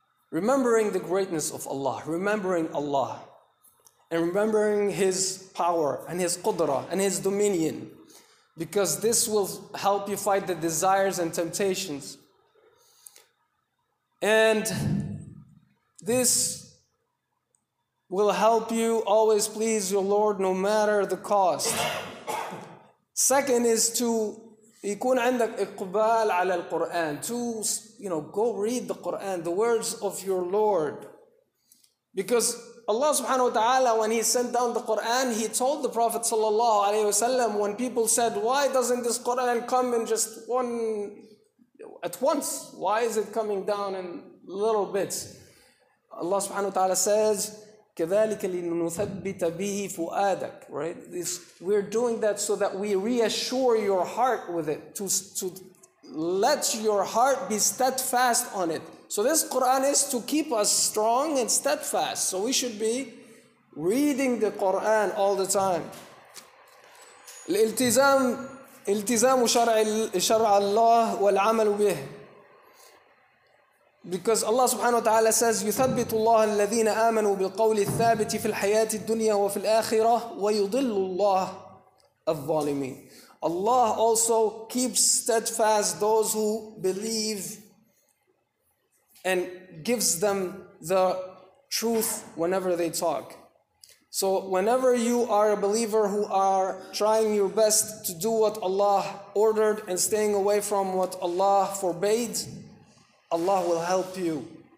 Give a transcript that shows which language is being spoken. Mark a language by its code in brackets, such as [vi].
[en] Remembering the greatness of Allah, remembering Allah, and remembering His power and His qudrah and His dominion. Because this will help you fight the desires and temptations. And this will help you always please your Lord no matter the cost. Second is to [ar] يكون عندك إقبال على القرآن. [en] To, you know, go read the Quran, the words of your Lord. Because Allah subhanahu wa ta'ala, when He sent down the Qur'an, He told the Prophet sallallahu alayhi wa sallam, when people said, why doesn't this Qur'an come in just one, at once? Why is it coming down in little bits? Allah subhanahu wa ta'ala says, [ar] كَذَلِكَ لِنُثَبِّتَ بِهِ فُؤَادَكَ. [en] Right? This, we're doing that so that we reassure your heart with it, to let your heart be steadfast on it. So this Qur'an is to keep us strong and steadfast. So we should be reading the Qur'an all the time. [ar] الالتزام التزام شرع الله والعمل به. [en] Because Allah subhanahu wa ta'ala says, [ar] يثبت الله الذين آمنوا بالقول الثابت في الحياة الدنيا وفي الآخرة ويضل الله الظالمين. [en] Allah also keeps steadfast those who believe and gives them the truth whenever they talk. So whenever you are a believer who are trying your best to do what Allah ordered and staying away from what Allah forbade, Allah will help you.